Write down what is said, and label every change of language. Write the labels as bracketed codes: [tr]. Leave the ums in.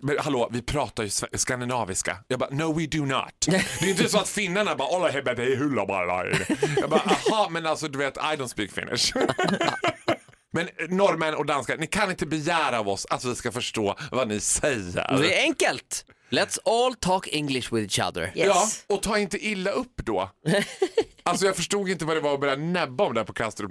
[sv] Men hallå, vi pratar ju skandinaviska. Jag bara, [en] no we do not. [sv] det är inte så att finnarna bara, alla är hulla bara. Jag bara, aha, men alltså du vet, [en] I don't speak finnish. [sv] Men norrmän och danskar, ni kan inte begära av oss att vi ska förstå vad ni säger. Det är enkelt. [en] Let's all talk English with each other. [sv] Ja, [en] yes. [sv] och ta inte illa upp då. alltså jag förstod inte vad det var att börja näbba om det här på Kastrup.